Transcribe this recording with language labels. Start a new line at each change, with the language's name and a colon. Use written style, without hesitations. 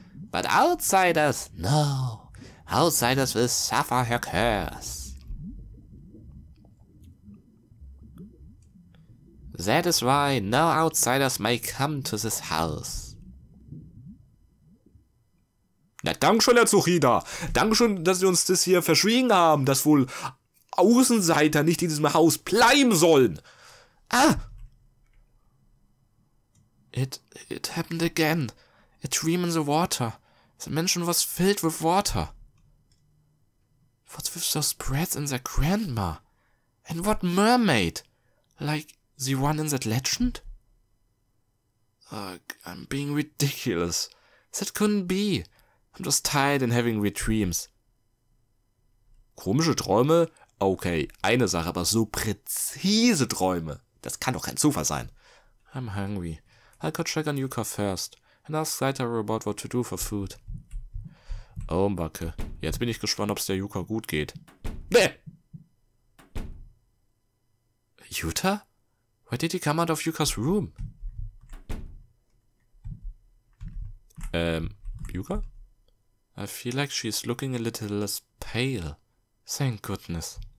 English: But outsiders, no. Outsiders will suffer her curse. That is why no outsiders may come to this house.
German: Na, dankeschön, Herr Tsuchida. Dankeschön, dass Sie uns das hier verschwiegen haben, dass wohl Außenseiter nicht in diesem Haus bleiben sollen. Ah!
English: It happened again. A dream in the water. The mansion was filled with water. What's with those breads and their grandma? And what mermaid? Like, the one in that legend? Ugh, I'm being ridiculous. That couldn't be. I'm just tired and having weird dreams.
German: Komische Träume? Okay, eine Sache, aber so präzise Träume. Das kann doch kein Zufall sein.
English: I'm hungry. I'll go check on Yuka first. And ask later about what to do for food.
German: Oh, Backe. Jetzt bin ich gespannt, ob es der Yuka gut geht.
English: Yuta? Why did he come out of Yuka's room? Yuka? I feel like she's looking a little less pale. Thank goodness.